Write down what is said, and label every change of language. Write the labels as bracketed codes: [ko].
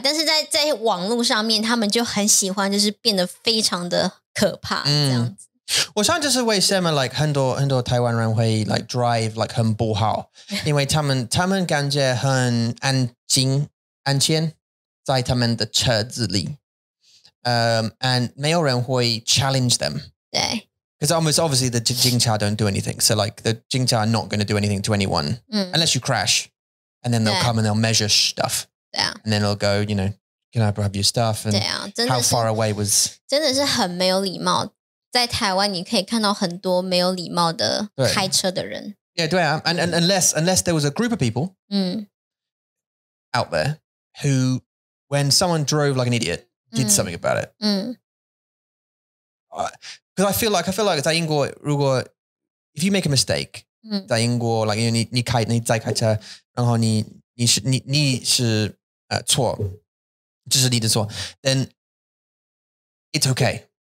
[zh] 但是在网络上面他们就很喜欢就是变得非常的可怕这样子。我想就是为什么 like 很多台湾人会 like drive like 很不好。因为他们感觉很安静在他们的车子里。 [en] And [zh] 没有人会 [en] challenge them. [zh] 对。 [en] Because almost obviously the Jingcha don't do anything. So like the Jingcha are not going to do anything to anyone. Unless you crash. And then they'll come and they'll measure stuff. Yeah. And then they'll go, you know, can I grab your stuff? And [zh] 对啊, 真的是, [en] how far away was... [zh] 真的是很没有礼貌。在台湾你可以看到很多没有礼貌的开车的人。 Yeah, 对啊。 [en] And unless there was a group of people out there who, when someone drove like an idiot, did something about it. Because I feel like [zh] 在英国如果 [en] if you make a mistake, 在英国 like [zh] 你再开车，然后你是错，这是你的错 [en] ，then it's okay.